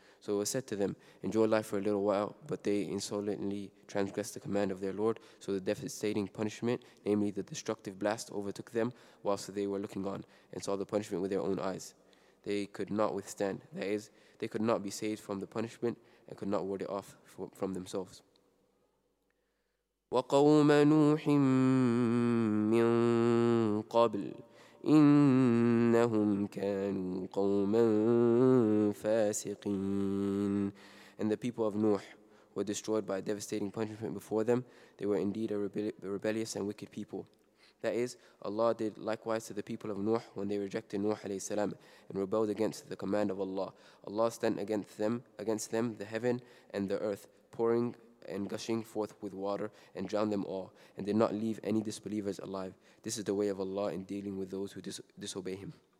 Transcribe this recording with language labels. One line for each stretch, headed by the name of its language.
English: So it was said to them, enjoy life for a little while, but they insolently transgressed the command of their Lord. So the devastating punishment, namely the destructive blast, overtook them whilst they were looking on and saw the punishment with their own eyes. They could not withstand, that is, they could not be saved from the punishment and could not ward it off from themselves.
Arabic: وقوم نوح من قبل إنهم كانوا قوما فاسقين.
English: And the people of Nuh were destroyed by a devastating punishment before them. They were indeed a rebellious and wicked people. That is, Allah did likewise to the people of Nuh when they rejected Nuh alayhi salam and rebelled against the command of Allah. Allah sent against them the heaven and the earth, pouring and gushing forth with water, and drowned them all, and did not leave any disbelievers alive. This is the way of Allah in dealing with those who disobey Him.